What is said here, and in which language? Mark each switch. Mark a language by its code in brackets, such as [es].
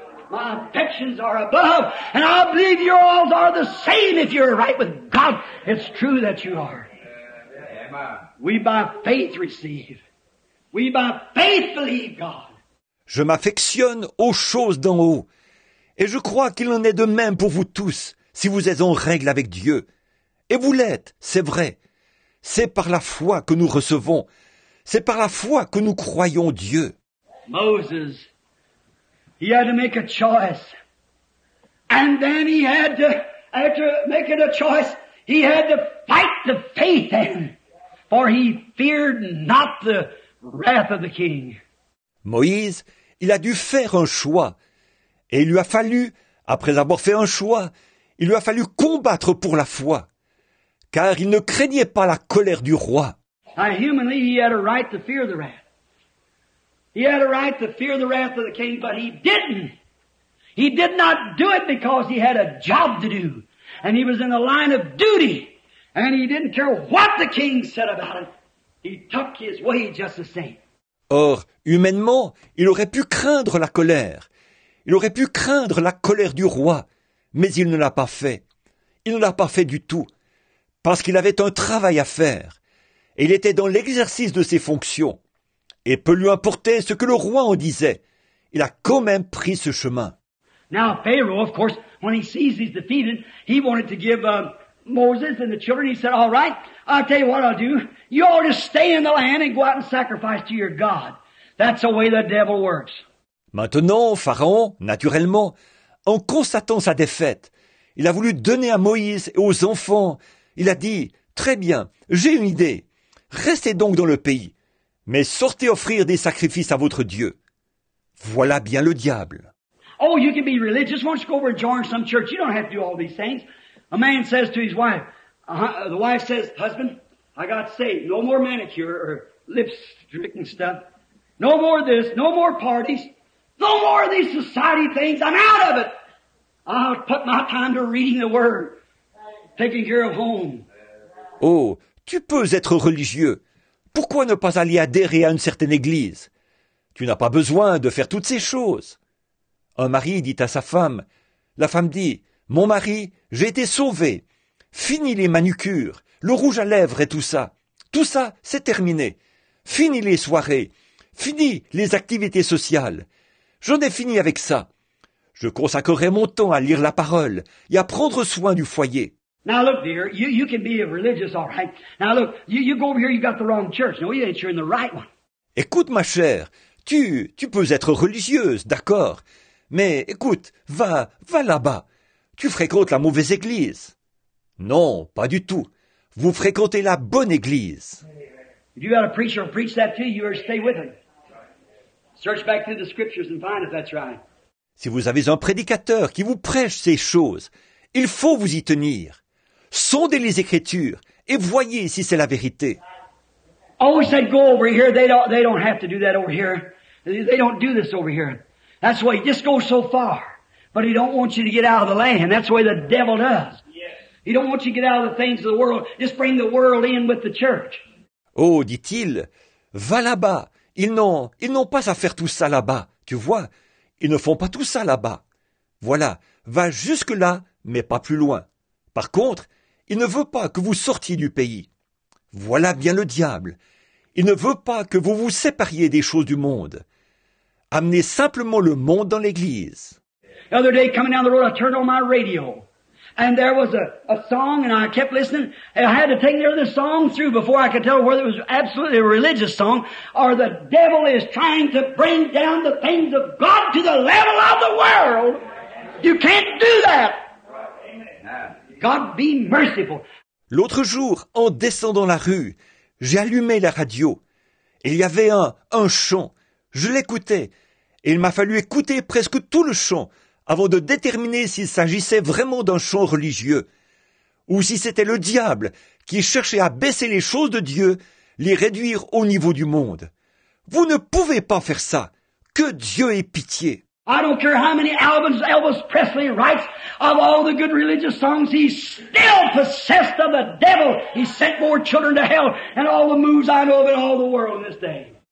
[en] My affections are above and I believe yours are the same if you're right with God. It's true that you are. We by faith receive. We by faith believe God. [fr] Je m'affectionne aux choses d'en haut. Et je crois qu'il en est de même pour vous tous, si vous êtes en règle avec Dieu. Et vous l'êtes, c'est vrai. C'est par la foi que nous recevons. C'est par la foi que nous croyons Dieu. [en] Moses, he had to make a choice. And then he had to, after making a choice, he had to fight the faith then. For he feared not the wrath of the king. [fr] Moïse, il a dû faire un choix. Et il lui a fallu, après avoir fait un choix, il lui a fallu combattre pour la foi. Car il ne craignait pas la colère du roi. [en] Humanly, he had a right to fear the wrath. He had a right to fear the wrath of the king, but he didn't. He did not do it because he had a job to do. And he was in the line of duty. And he didn't care what the king said about it. He took his way just the same. [fr] Or, humainement, il aurait pu craindre la colère. Il aurait pu craindre la colère du roi. Mais il ne l'a pas fait. Il ne l'a pas fait du tout. Parce qu'il avait un travail à faire. Et il était dans l'exercice de ses fonctions. Et peu lui importait ce que le roi en disait. Il a quand même pris ce chemin. [en] Now, Pharaoh, of course, when he sees he's defeated, he wanted to give Moses and the children, he said, all right, I'll tell you what I'll do. You ought to stay in the land and go out and sacrifice to your God. That's the way the devil works. [fr] Maintenant, Pharaon, naturellement, en constatant sa défaite, il a voulu donner à Moïse et aux enfants. Il a dit, très bien, j'ai une idée. Restez donc dans le pays, mais sortez offrir des sacrifices à votre Dieu. Voilà bien le diable. [en] Oh, you can be religious. Why don't you go over and join some church? You don't have to do all these things. A man says to his wife, the wife says, husband, I got saved. No more manicure or lips drinking stuff. No more this. No more parties. No more of these society things. I'm out of it. I'll put my time to reading the word. Taking care of home. [fr] Oh, tu peux être religieux. Pourquoi ne pas aller adhérer à une certaine église? Tu n'as pas besoin de faire toutes ces choses. Un mari dit à sa femme, la femme dit, « Mon mari, j'ai été sauvé. Fini les manucures, le rouge à lèvres et tout ça. Tout ça, c'est terminé. Fini les soirées. Fini les activités sociales. J'en ai fini avec ça. Je consacrerai mon temps à lire la parole et à prendre soin du foyer. » [en] Now look, dear, you can be a religious, all right. Now look, you go over here, you got the wrong church. No, you ain't, you're in the right one. [fr] Écoute, ma chère, tu peux être religieuse, d'accord. Mais écoute, va là-bas. Tu fréquentes la mauvaise église. Non, pas du tout. Vous fréquentez la bonne église. [en] If you got a preacher who preach that to you, or stay with him. Search back through the scriptures and find if that's right. [fr] Si vous avez un prédicateur qui vous prêche ces choses, il faut vous y tenir. Sondez les Écritures et voyez si c'est la vérité. [en] Oh, he said, go over here. They don't have to do that over here. They don't do this over here. That's why he just goes so far. But he don't want you to get out of the land. That's the way the devil does. Yes. He don't want you to get out of the things of the world. Just bring the world in with the church. [fr] Oh, dit-il, va là-bas. Ils n'ont pas à faire tout ça là-bas. Tu vois, ils ne font pas tout ça là-bas. Voilà, va jusque là, mais pas plus loin. Par contre, il ne veut pas que vous sortiez du pays. Voilà bien le diable. Il ne veut pas que vous vous sépariez des choses du monde. Amenez simplement le monde dans l'église. [en] The other day, coming down the road, I turned on my radio. And there was a song, and I kept listening. And I had to take the other song through before I could tell whether it was absolutely a religious song, or the devil is trying to bring down the things of God to the level of the world. You can't do that. God be merciful. [fr] L'autre jour, en descendant la rue, j'ai allumé la radio. Il y avait un chant. Je l'écoutais, et il m'a fallu écouter presque tout le chant avant de déterminer s'il s'agissait vraiment d'un chant religieux, ou si c'était le diable qui cherchait à baisser les choses de Dieu, les réduire au niveau du monde. Vous ne pouvez pas faire ça. Que Dieu ait pitié. [en] I don't care how many albums Elvis Presley writes of all the good religious songs, he's still possessed of the devil. He sent more children to hell than all the moves I know of in all the world in this day.